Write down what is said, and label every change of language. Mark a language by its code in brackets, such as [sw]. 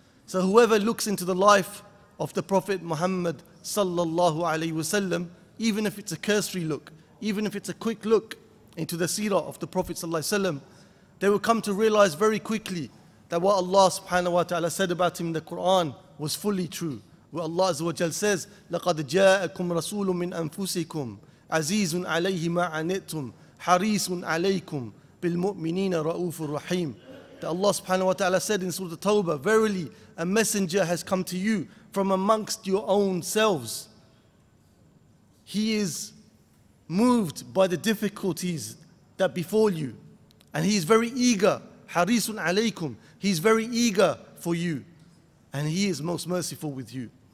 [en] So whoever looks into the life of the Prophet Muhammad sallallahu alaihi wasallam, even if it's a cursory look, even if it's a quick look into the seerah of the Prophet sallallahu alaihi wasallam, they will come to realize very quickly that what Allah subhanahu wa ta'ala said about him in the Quran was fully true. Where Allah azza wa jal says, [ar] لَقَدْ جَاءَكُمْ رَسُولٌ مِّنْ أَنفُسِكُمْ عَزِيزٌ عَلَيْهِ مَا عَنِتُمْ حَرِيصٌ عَلَيْكُمْ بِالْمُؤْمِنِينَ رَؤُوفُ الرَّحِيمُ. [en] That Allah subhanahu wa ta'ala said in Surah Tawbah, verily a messenger has come to you from amongst your own selves. He is moved by the difficulties that befall you, and he is very eager, [ar] حَرِيصٌ عَلَيْكُمْ, [en] he is very eager for you, and he is most merciful with you.